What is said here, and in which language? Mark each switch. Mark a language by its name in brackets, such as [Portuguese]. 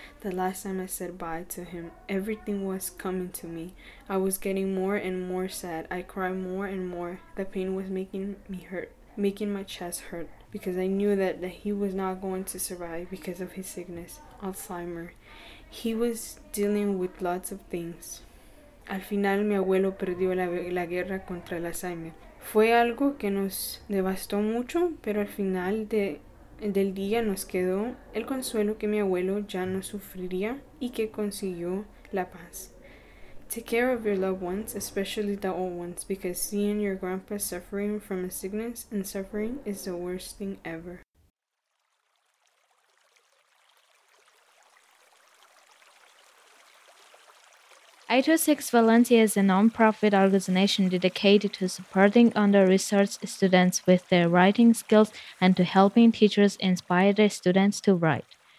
[English] The last time I said bye to him, everything was coming to me. I was getting more and more sad. I cried more and more. The pain was making me hurt, making my chest hurt, because I knew that he was not going to survive because of his sickness, Alzheimer's. He was dealing with lots of things. [Spanish] Al final, mi abuelo perdió la guerra contra el Alzheimer. Fue algo que nos devastó mucho, pero al final del día nos quedó el consuelo que mi abuelo ya no sufriría y que consiguió la paz. [English] Take care of your loved ones, especially the old ones, because seeing your grandpa suffering from a sickness and suffering is the worst thing ever. I26 Valencia is a non-profit organization dedicated to supporting under-resourced students with their writing skills and to helping teachers inspire their students to write.